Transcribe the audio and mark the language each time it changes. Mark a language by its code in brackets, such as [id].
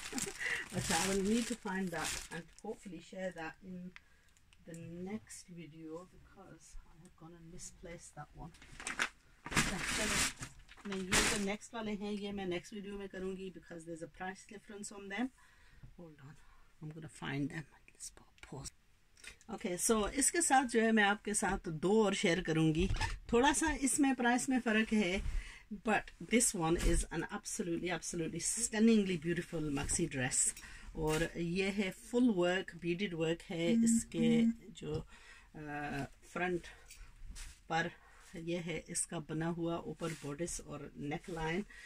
[en] अच्छा, I will need to find that and hopefully share that in the next video because I have gone and misplaced that one. [hi] नहीं, ये जो next वाले हैं ये मैं नेक्स्ट वीडियो में करूंगी [en] Because there is a price difference on them. Hold on, I'm gonna find them. Let's pause. [hi] Okay, so इसके साथ जो है मैं आपके साथ दो और शेयर करूंगी. थोड़ा सा इसमें प्राइस में फर्क है [en] But this one is an absolutely absolutely stunningly beautiful maxi dress. [hi] और ये है फुल वर्क, बीडेड वर्क है. इसके जो फ्रंट पर यह है इसका बना हुआ ऊपर बॉडिस और नेक लाइन.